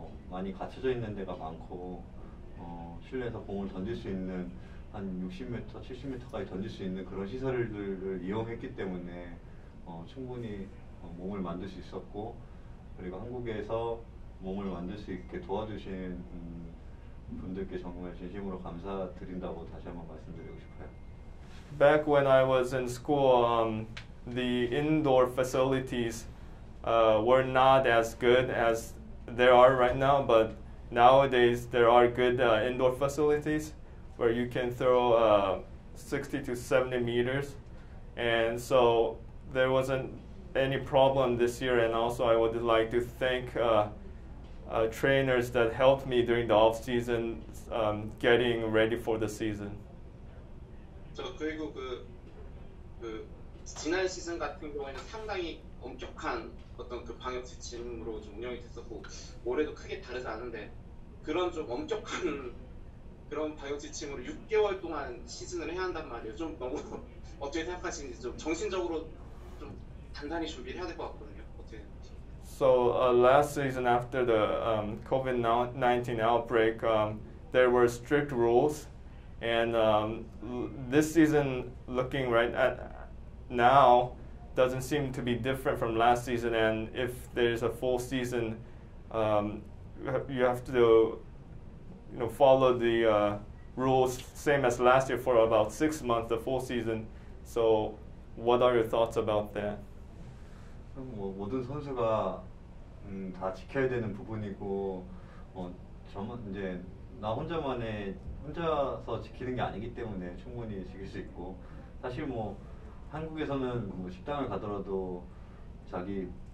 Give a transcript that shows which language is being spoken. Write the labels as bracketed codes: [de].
[ko] 많이 갖춰져 있는 데가 많고, 실내에서 공을 던질 수 있는 한 60m, 70m까지 던질 수 있는 그런 시설들을 이용했기 때문에 충분히 몸을 만들 수 있었고, 그리고 한국에서 몸을 만들 수 있게 도와주신 분들께 정말 진심으로 감사드린다고 다시 한번 말씀드리고 싶어요. [en] Back when I was in school, the indoor facilities were not as good as there are right now, but nowadays there are good indoor facilities where you can throw 60 to 70 meters. And so there wasn't any problem this year. And also I would like to thank trainers that helped me during the off season getting ready for the season. [ko] 저 그리고 그 지난 시즌 같은 경우에는 상당히 엄격한 어떤 그 방역 지침으로 좀 운영이 됐었고 올해도 크게 다르지 않은데 그런 좀 엄격한 그런 방역 지침으로 6개월 동안 시즌을 해야 한단 말이에요. 좀 너무 어떻게 생각하시는지 좀 정신적으로 좀 단단히 준비를 해야 될 것 같거든요. 어떻게 [en] So last season after the COVID-19 outbreak, there were strict rules. And this season, looking right at now, doesn't seem to be different from last season. And if there's a full season, you have to follow the rules same as last year for about 6 months, the full season. So what are your thoughts about that? [ko] 뭐 모든 선수가 다 지켜야 되는 부분이고 저만 이제 나 혼자만의 혼자서 지키는 게 아니기 때문에 충분히 지킬 수 있고 사실 뭐 한국에서는 뭐 식당을 가더라도 자기